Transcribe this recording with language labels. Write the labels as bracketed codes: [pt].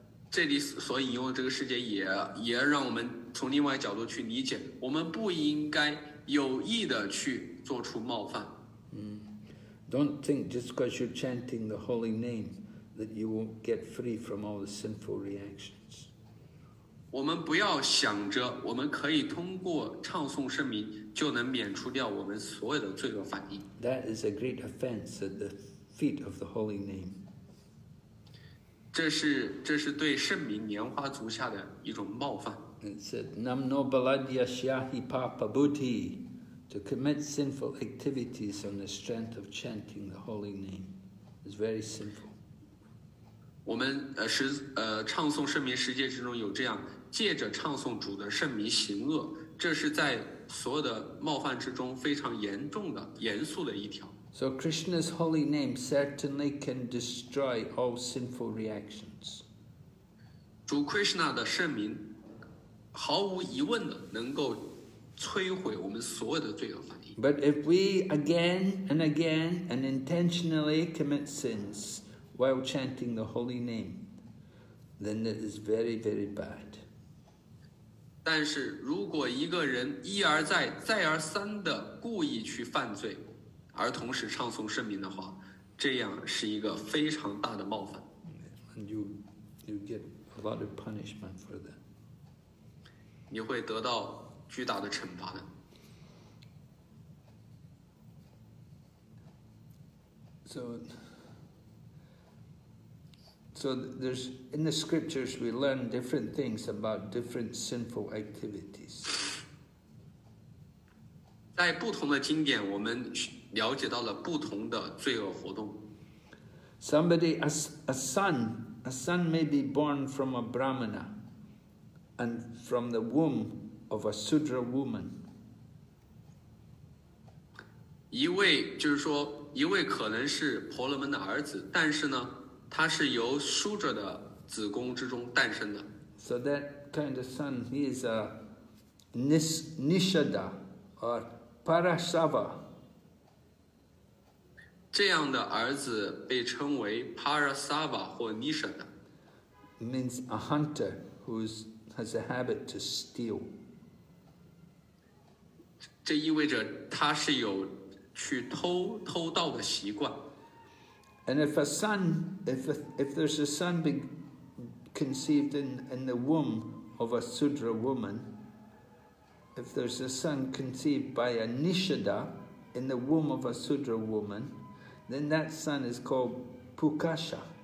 [zh] 这里所引用的这个世界也让我们从另外角度去理解，我们不应该有意的去做出冒犯。 [en] Don't think just because you're chanting the holy name that you will get free from all the sinful reactions. [zh] 我们不要想着我们可以通过唱诵圣名就能免除掉我们所有的罪恶反应。 [en] That is a great offense at the feet of the holy name. [zh] 这是对圣名莲花足下的一种冒犯。 [en] It said, [sa] "Namno baladya shyahi papa buti," [en] to commit sinful activities on the strength of chanting the holy name is very sinful. [zh] 我们唱诵圣名十诫之中有这样，借着唱诵主的圣名行恶，这是在所有的冒犯之中非常严重的、严肃的一条。 [en] So Krishna's holy name certainly can destroy all sinful reactions. [zh] 主 Krishna 的圣名毫无疑问的能够摧毁我们所有的罪恶反应。 [en] But if we again and again and intentionally commit sins while chanting the holy name, then it is very, very bad. [zh] 但是如果一个人一而再、再而三的故意去犯罪，而同时唱诵圣名的话，这样是一个非常大的冒犯。 [en] And you get a lot of punishment for that. [zh] 你会得到巨大的惩罚的。 [en] So there's in the scriptures we learn different things about different sinful activities. [zh] 在不同的经典，我们了解到了不同的罪恶活动。 [en] Somebody, a son may be born from a brahmana and from the womb of a sudra woman. [zh] 一位可能是婆罗门的儿子，但是呢，他是由苏哲的子宫之中诞生的。 [en] So that kind of son, he is a nishada or parasava. [zh] 这样的儿子被称为 Parasava 或 Nishada. [en] Means a hunter who has a habit to steal. [zh] 这意味着他是有去偷盗的习惯。 [en] And if a son, if there's a son be conceived in the womb of a Sudra woman, if there's a son conceived by a Nishada in the womb of a Sudra woman,Then that son is called Pukasha.